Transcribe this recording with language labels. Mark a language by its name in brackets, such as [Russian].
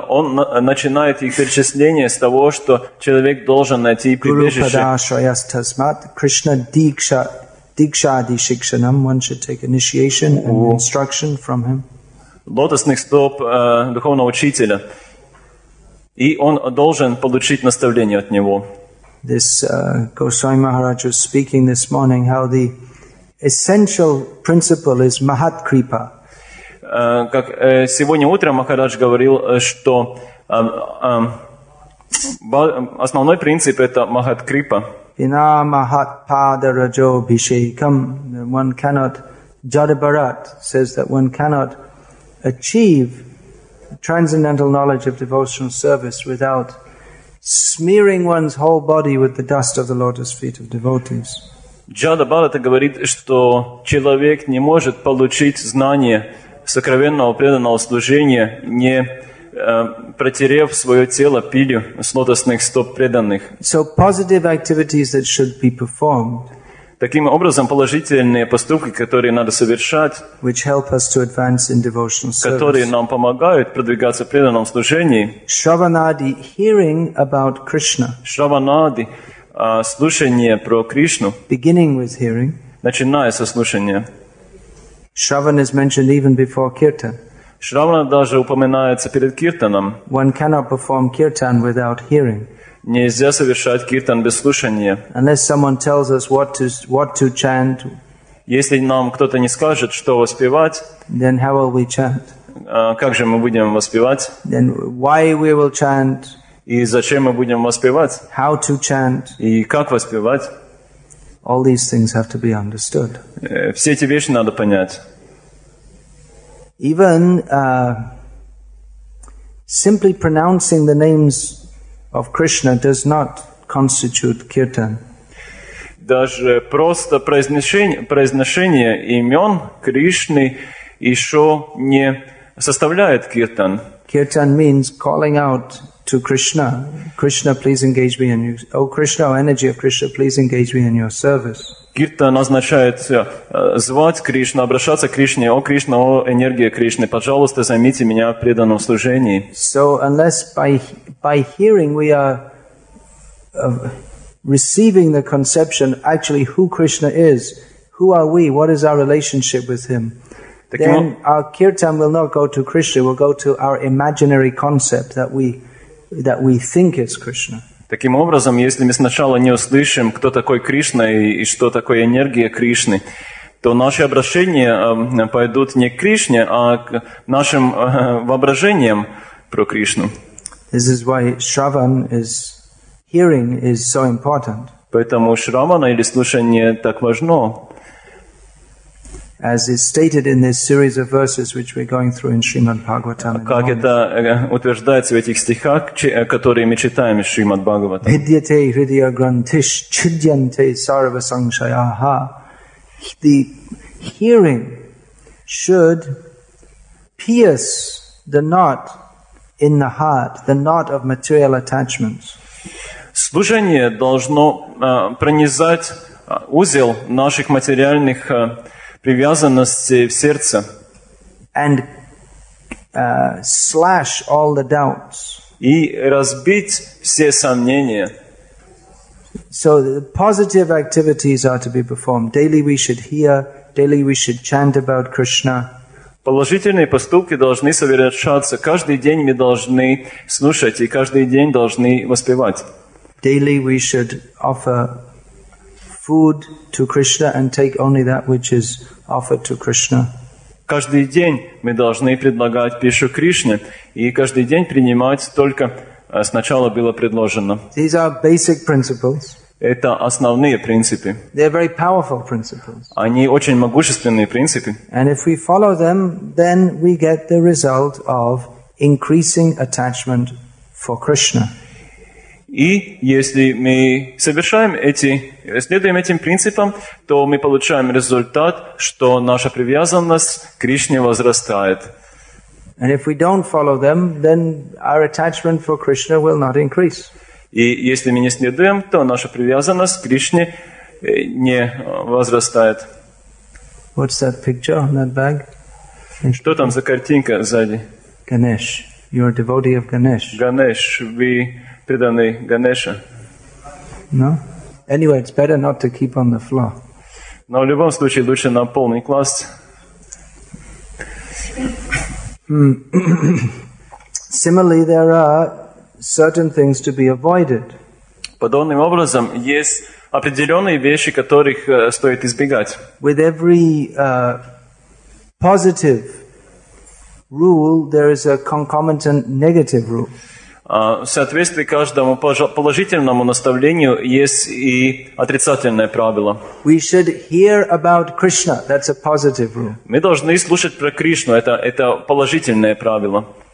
[Russian] Он начинает их перечисление с того, что человек должен найти прибежище. [Sanskrit] Guru Padashrayas Tasmat Krishna Diksha Dikshadi Shikshanam. [English] One should take initiation and instruction from him. [Russian] Лотосных стоп духовного учителя. И он должен получить наставление от него. [English] This Goswami Maharaj was speaking this morning how the essential principle is Mahat Kripa. [Russian] Как сегодня утром Махарадж говорил, что основной принцип — это Махат-крипа. [Sanskrit] Ина Махат-пада-раджо бишейкам. [English] One cannot, Jadabharat says that one cannot achieve transcendental knowledge of devotional service without smearing one's whole body with the dust of the lotus feet of devotees. [Russian] Jadabharat говорит, что человек не может получить знание сокровенного преданного служения, не протерев свое тело пылью с лотосных стоп преданных. [English] So positive activities that should be performed. [Russian] Таким образом, положительные поступки, которые надо совершать, [English] which help us to advance in devotional service, [Russian] которые нам помогают продвигаться в преданном служении. [English] Shravanadi, hearing about Krishna. [Russian] Shravanadi, слушание про Кришну. [English] Beginning with hearing. [Russian] Начиная со слушания. [English] Shravan is mentioned even before kirtan. [Russian] Шравана даже упоминается перед киртаном. [English] One cannot perform kirtan without hearing. [Russian] Нельзя совершать киртан без слушания. [English] Unless someone tells us what to chant. [Russian] Если нам кто-то не скажет, что воспевать, [English] then how will we chant? [Russian] Как же мы будем воспевать? [English] Then why we will chant? [Russian] И зачем мы будем воспевать? [English] How to chant? [Russian] И как воспевать? [English] All these things have to be understood. [Russian] Все эти вещи надо понять. [English] Even simply pronouncing the names of Krishna does not constitute kirtan. [Russian] Даже просто произношение имен Кришны еще не составляет киртан. [English] Kirtan means calling out to Krishna. Krishna, please engage me in your service. Oh Krishna, oh energy of Krishna, please engage me in your service. [Russian] Киртан означает звать Кришну, обращаться к Кришне. О Кришна, о энергия Кришны, пожалуйста, займите меня в преданном служении. [English] So unless by hearing we are receiving the conception actually who Krishna is, who are we, what is our relationship with him, then our kirtan will not go to Krishna, will go to our imaginary concept that we think is Krishna. [Russian] Таким образом, если мы сначала не услышим, кто такой Кришна и что такое энергия Кришны, то наши обращения пойдут не к Кришне, а к нашим воображениям про Кришну. [English] This is why Shravan is hearing is so important. [Russian] Поэтому Шравана или слушание так важно. [English] As is stated in this series of verses which we're going through in Srimad Bhagavatam. [Russian] Как это утверждается в этих стихах, которые мы читаем из Шримад Бхагаватам. [Sanskrit] Vidyate hridaya grantish chidyante sarva sanshayaha. [English] The hearing should pierce the knot in the heart, the knot of material attachments. [Russian] Слушание должно пронизать узел наших материальных привязанности в сердце. [English] And slash all the doubts. [Russian] И разбить все сомнения. [English] So the positive activities are to be performed. Daily we should hear, daily we should chant about Krishna. [Russian] Положительные поступки должны совершаться. Каждый день мы должны слушать и каждый день должны воспевать. [English] Daily we should offer food to Krishna and take only that which is offered to Krishna. [Russian] Каждый день мы должны предлагать пищу Кришне и каждый день принимать только сначала было предложено. [English] These are basic principles. [Russian] Это основные принципы. [English] They are very powerful principles. [Russian] Они очень могущественные принципы. [English] And if we follow them, then we get the result of increasing attachment for Krishna. [Russian] И если мы совершаем следуем этим принципам, то мы получаем результат, что наша привязанность к Кришне возрастает. [English] And if we don't follow them, then our attachment for Krishna will not increase. [Russian] И если мы не следуем, то наша привязанность к Кришне не возрастает. [English] What's that picture on that bag? [Russian] Что там за картинка сзади? [English] Ganesh. You're a devotee of Ganesh. [Russian] Ganesh, [English] we [Russian] преданный Ганеша. [English] No? Anyway, it's better not to keep on the floor. [Russian] Но в любом случае лучше на пол не класть. [English] Similarly, there are certain things to be avoided. [Russian] Подобным образом, есть определенные вещи, которых стоит избегать. [English] With every positive rule, there is a concomitant negative rule. [Russian] В соответствии каждому положительному наставлению есть и отрицательное правило. [English] We should hear about Krishna. That's a positive rule. [Russian] Мы должны слушать про Кришну. Это положительное правило.